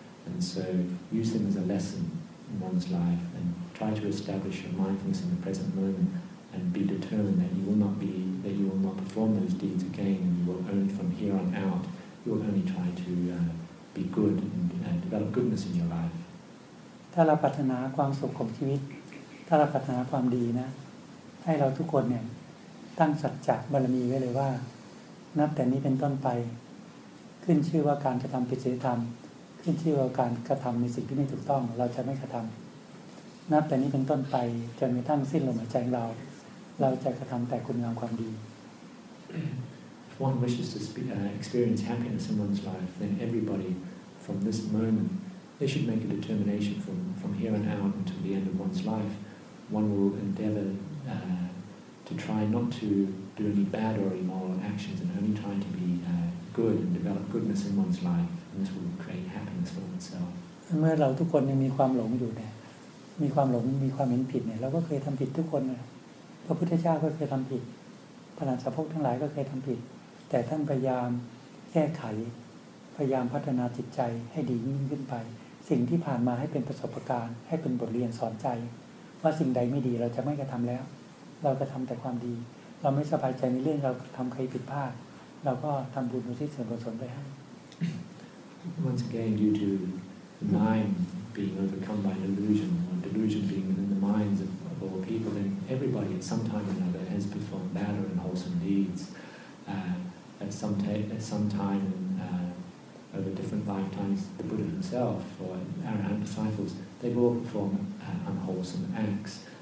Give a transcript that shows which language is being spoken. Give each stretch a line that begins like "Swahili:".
English: And so, use them as a lesson in one's life, and try to establish your mindfulness in the present moment, and be determined that you will not perform those deeds again, and you will only from here on out, you will only try to. Be good and develop goodness in your life.
Thai: ถ้าเราปรารถนาความสุขของชีวิตถ้าเราปรารถนาความดีนะให้เราทุกคนเนี่ยตั้งสัจจะบารมีไว้เลยว่านับแต่นี้เป็นต้นไปขึ้นชื่อว่าการกระทำผิดศีลธรรมขึ้นชื่อว่าการกระทำในสิ่งที่ไม่ถูกต้องเราจะไม่กระทำนับแต่นี้เป็นต้นไปจนกระทั่งสิ้นลมหายใจเราจะกระทำแต่คุณงามความดี
English: one wishes to experience happiness in one's life, then everybody from this moment, they should make a determination from here on out until the end of one's life. One will endeavor to try not to do any bad or immoral actions and only try to be good and develop goodness in one's life. And this will create happiness for oneself.
Thai: เมื่อเราทุกคนยังมีความหลงอยู่เนี่ยมีความหลงมีความเห็นผิดเนี่ยเราก็เคยทำผิดทุกคนนะพระพุทธเจ้าก็เคยทำผิดพระอรหันต์ทั้งหลายก็เคยทำผิดแต่ท่านพยายามแก้ไขพยายามพัฒนาจิตใจให้ดียิ่งขึ้นไปสิ่งที่ผ่านมาให้เป็นประสบการณ์ให้เป็นบทเรียนสอนใจว่าสิ่งใดไม่ดีเราจะไม่กระทำแล้วเราจะทำแต่ความดีเราไม่สบายใจในเรื่องเราทำใครผิดพลาดเราก็ทำบุญอุทิศส่วนกุศลไปให้
English: Once again due to the mind being overcome by delusion or delusion being within the minds of all people, then everybody at some time or another has performed bad or unwholesome deeds at some time over different lifetimes, the Buddha himself or Arahant disciples, they've all performed unwholesome acts.